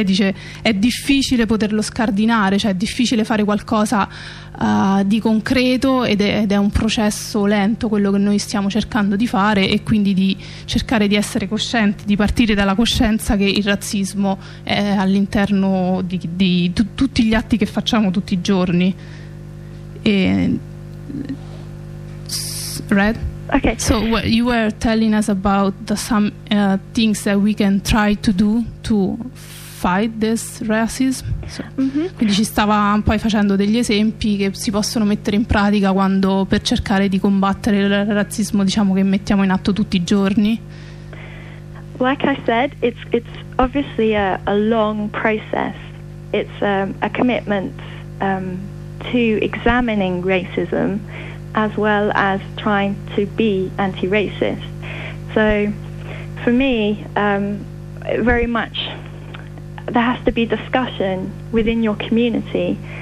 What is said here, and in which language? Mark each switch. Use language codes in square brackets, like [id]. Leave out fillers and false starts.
[it] Lei dice è difficile poterlo scardinare, cioè è difficile fare qualcosa di concreto, ed è un processo lento quello che noi stiamo cercando di fare, e quindi di cercare di essere coscienti, di partire dalla coscienza che il razzismo è all'interno di tutti gli atti che facciamo tutti i giorni. [en] And red? Okay. So what you were telling us about the some things that we can try to do to fight this racism. So. Mm-hmm. [it] Quindi ci stava poi facendo degli esempi che si possono mettere in pratica quando per cercare di combattere il razzismo, diciamo, che mettiamo in atto tutti i giorni. [en] Like I said, it's obviously a long process. It's a commitment to examining racism as well as trying to be anti-racist. So for me, very much there has to be discussion within your community.